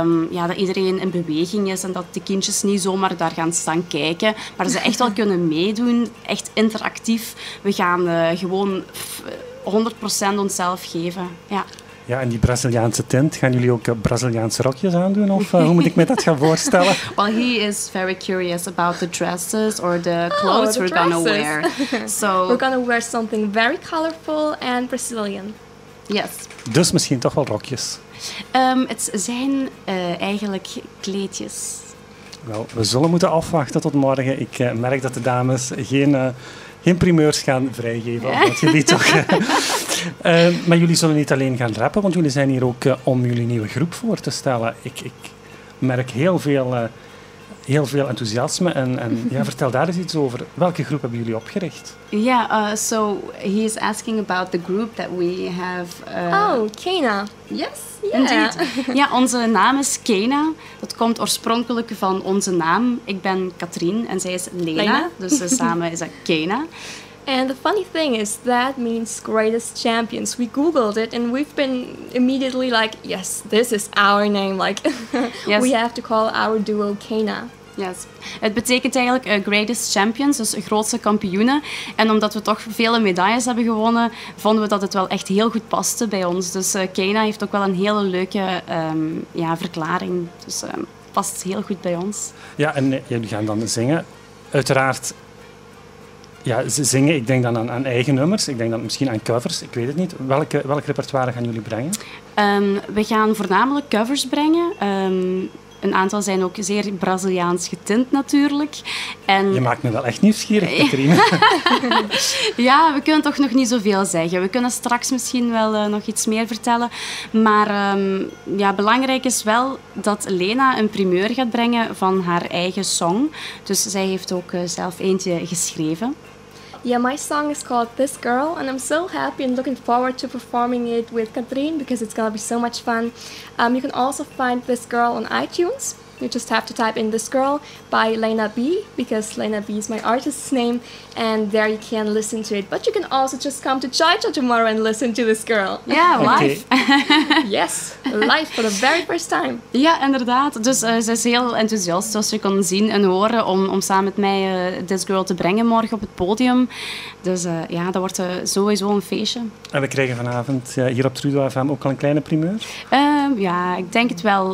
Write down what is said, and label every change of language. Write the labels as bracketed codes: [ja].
[nl] Dat iedereen in beweging is en dat de kindjes niet zomaar daar gaan staan kijken, maar ze echt wel kunnen meedoen, echt interactief. We gaan gewoon 100% onszelf geven. Ja. Ja, en die Braziliaanse tint, gaan jullie ook Braziliaanse rokjes aandoen? Of hoe moet ik me dat gaan voorstellen? [en] Well, he is very curious about the dresses or the clothes we're gonna wear. So we're gonna wear something very colorful and Brazilian. Yes. [nl] Dus misschien toch wel rokjes? Het zijn eigenlijk kleedjes. Wel, we zullen moeten afwachten tot morgen. Ik merk dat de dames geen primeurs gaan vrijgeven. Ja. Omdat jullie toch, maar jullie zullen niet alleen gaan rappen, want jullie zijn hier ook om jullie nieuwe groep voor te stellen. Ik merk heel veel enthousiasme. En ja, vertel daar eens iets over. Welke groep hebben jullie opgericht? [en] Ja, so he is asking about the group that we have. Kena. Yes, [nl] indeed. Ja, onze naam is Kena. Dat komt oorspronkelijk van onze naam. Ik ben Katrien en zij is Lena. Dus samen is dat Kena. [en] And the funny thing is, that means greatest champions. We googled it and we've been immediately like, yes, this is our name. Like, yes. We have to call our duo Kena. Yes. [nl] Het betekent eigenlijk greatest champions, dus grootste kampioenen. En omdat we toch vele medailles hebben gewonnen, vonden we dat het wel echt heel goed paste bij ons. Dus Kena heeft ook wel een hele leuke verklaring. Dus past heel goed bij ons. Ja, en jullie gaan dan zingen. Uiteraard. Ja, ze zingen. Ik denk dan aan eigen nummers. Ik denk dan misschien aan covers. Ik weet het niet. Welk repertoire gaan jullie brengen? We gaan voornamelijk covers brengen. Een aantal zijn ook zeer Braziliaans getint natuurlijk. En je maakt me wel echt nieuwsgierig, Katrien. Ja, we kunnen toch nog niet zoveel zeggen. We kunnen straks misschien wel nog iets meer vertellen. Maar belangrijk is wel dat Lena een primeur gaat brengen van haar eigen song. Dus zij heeft ook zelf eentje geschreven. [en] Yeah, my song is called This Girl, and I'm so happy and looking forward to performing it with Katrien, because it's gonna be so much fun. You can also find This Girl on iTunes. You just have to type in This Girl by Lena B, because Lena B is my artist's name, and there you can listen to it. But you can also just come to Chaicha tomorrow and listen to This Girl. Yeah, live. Okay. Yes, live for the very first time. [nl] Ja, inderdaad. Dus ze is heel enthousiast, zoals je kon zien en horen, om samen met mij This Girl te brengen morgen op het podium. Dus ja, dat wordt sowieso een feestje. En we krijgen vanavond hier op Trudeau FM ook al een kleine primeur? Ja, ik denk het wel.